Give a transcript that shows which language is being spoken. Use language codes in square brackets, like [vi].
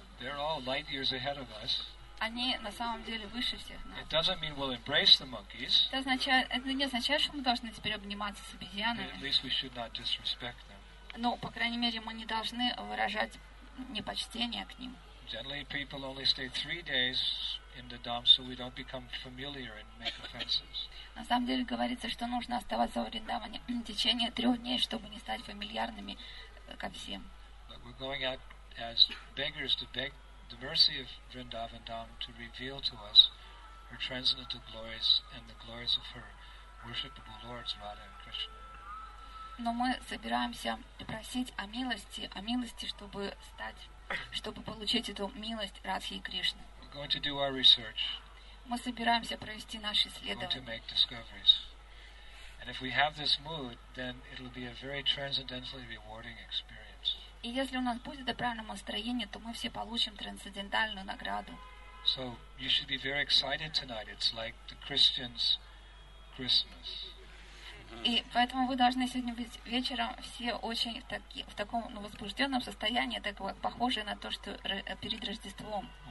[en] they're all light years ahead of us. [ru] Они на самом деле выше всех нас. [en] It doesn't mean we'll embrace the monkeys. [ru] Это не означает, что мы должны теперь обниматься с обезьянами. [en] At least we should not disrespect them. [ru] Но, по крайней мере, мы не должны выражать непочтение к ним. [en] Generally, people only stay 3 days in the dham, so we don't become familiar and make offenses. [ru] На самом деле говорится, что нужно оставаться в Вриндаване в течение 3 дней, чтобы не стать фамильярными ко всем. [en] But we're going out as beggars to beg the mercy of Vrindavan Dham to reveal to us her transcendental glories and the glories of her worshipable lords, Radha and Krishna. [ru] Но мы собираемся просить о милости, чтобы стать, чтобы получить эту милость Радхи и Кришны. [en] We're going to do our research. [ru] Мы собираемся провести наши исследования. [en] We're going to make discoveries. And if we have this mood, then it'll be a very transcendentally rewarding experience. [ru] И если у нас будет правильное настроение, то мы все получим трансцендентальную награду. [en] So you should be very excited tonight. It's like the Christians' Christmas. [ru] И поэтому вы должны сегодня быть вечером все очень в таком возбужденном состоянии, так вот, похожее на то, что перед Рождеством.